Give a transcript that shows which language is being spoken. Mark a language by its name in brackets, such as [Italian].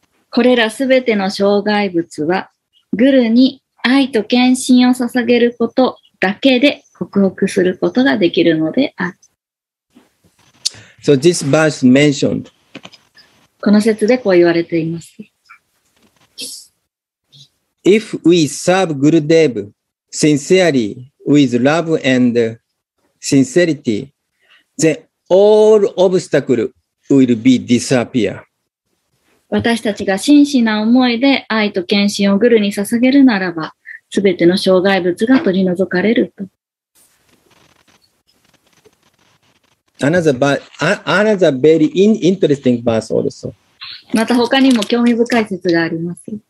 [Japanese] これらすべての障害物は、グルに愛と献身を捧げることだけで克服することができるのである。 [English] So this verse mentioned. [Japanese] この説でこう言われています。 [English] If we serve Gurudev sincerely with love and sincerity, then all obstacles will be disappear. [Japanese] 私たちが真摯な思いで愛と献身をグルに捧げるならば、すべての障害物が取り除かれると。 [English] Another very interesting verse also. [Japanese] また他にも興味深い説があります。